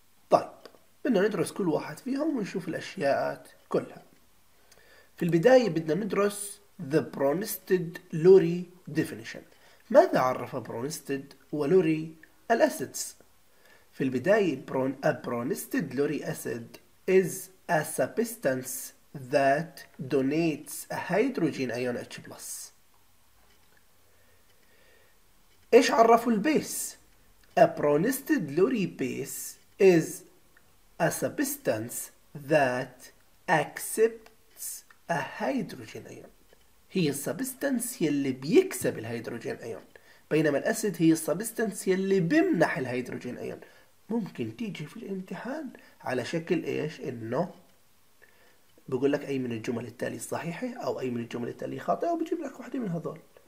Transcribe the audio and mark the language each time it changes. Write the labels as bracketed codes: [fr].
[ar] طيب بدنا ندرس كل واحد فيهم ونشوف الأشياء كلها. في البداية بدنا ندرس [en] The Bronsted-Lowry Definition. [ar] ماذا عرف برونستد ولوري الأسيدز؟ في البداية [en] Bronsted-Lowry acid is a substance that donates a hydrogen ion H+. [ar] إيش عرفوا البيس؟ [en] A Bronsted-Lowry base is a substance that accepts a hydrogen ion. [ar] هي السبستنس يلي بيكسب الهيدروجين ايون، بينما الأسيد هي السبستنس يلي بيمنح الهيدروجين ايون. ممكن تيجي في الامتحان على شكل إيش؟ إنه بقول لك اي من الجمل التالي الصحيحه او اي من الجمل التالي خاطئه، وبجيب لك واحده من هذول.